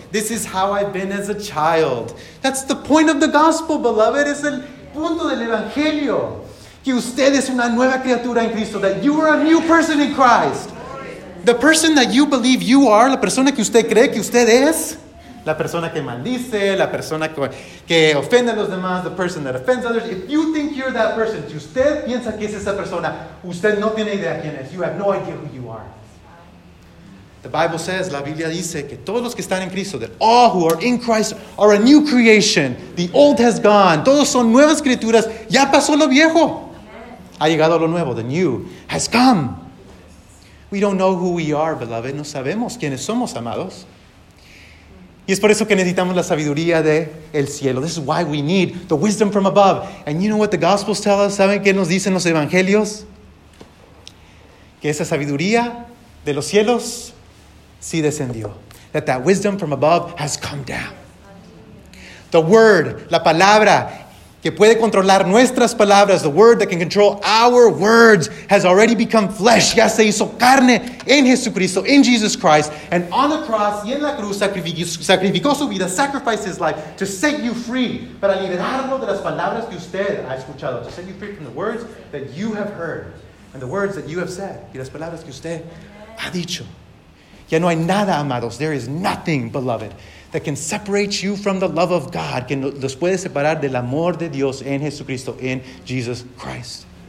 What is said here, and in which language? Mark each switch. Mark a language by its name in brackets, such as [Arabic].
[English] This is how I've been as a child. That's the point of the gospel, beloved. [Spanish] Es el punto del evangelio. Que usted es una nueva criatura en Cristo. [English] That you are a new person in Christ. The person that you believe you are, [Spanish] la persona que usted cree que usted es, la persona que maldice, la persona que ofende a los demás, [English] the person that offends others. If you think you're that person, [Spanish] si usted piensa que es esa persona, [English] usted no tiene idea quién es. You have no idea who you are. The Bible says, [Spanish] la Biblia dice que todos los que están en Cristo, [English] that all who are in Christ are a new creation. The old has gone. [Spanish] Todos son nuevas criaturas. Ya pasó lo viejo. Ha llegado lo nuevo. [English] The new has come. We don't know who we are, beloved. [Spanish] No sabemos quiénes somos, amados. Y es por eso que necesitamos la sabiduría del cielo. [English] This is why we need the wisdom from above. And you know what the Gospels tell us? [Spanish] ¿Saben qué nos dicen los Evangelios? Que esa sabiduría de los cielos sí descendió. [English] That wisdom from above has come down. The Word, [Spanish] la palabra que puede controlar nuestras palabras, [English] the word that can control our words, has already become flesh. [Spanish] Ya se hizo carne en Jesucristo, [English] in Jesus Christ. And on the cross, [Spanish] y en la cruz, sacrificó su vida, [English] sacrificed his life to set you free. [Spanish] Para liberarlo de las palabras que usted ha escuchado. [English] To set you free from the words that you have heard. And the words that you have said. [Spanish] Y las palabras que usted ha dicho. Ya no hay nada, amados. [English] There is nothing, beloved, that can separate you from the love of God, [Spanish] que los puede separar del amor de Dios en Jesucristo, [English] in Jesus Christ.